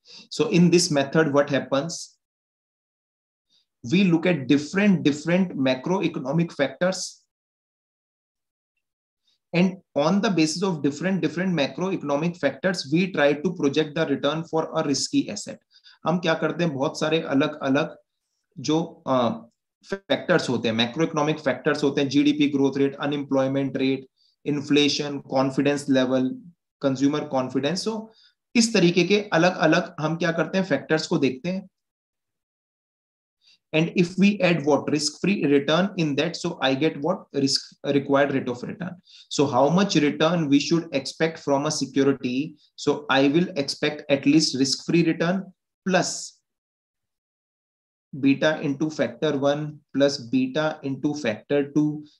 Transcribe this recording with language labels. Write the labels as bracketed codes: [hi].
[en] So in this method, what happens? We look at different macroeconomic factors. And on the basis of different macroeconomic factors, we try to project the return for a risky asset. [hi] हम क्या करते हैं, बहुत सारे अलग अलग जो factors होते हैं, मैक्रो इकोनॉमिक फैक्टर्स होते हैं, GDP growth rate, unemployment rate, inflation, confidence level, consumer confidence. सो इस तरीके के अलग अलग हम क्या करते हैं, फैक्टर्स को देखते हैं. [en] And if we add what risk free return in that, so I get what risk required rate of return. So how much return we should expect from a security. So I will expect at least risk free return plus beta into factor one plus beta into factor two.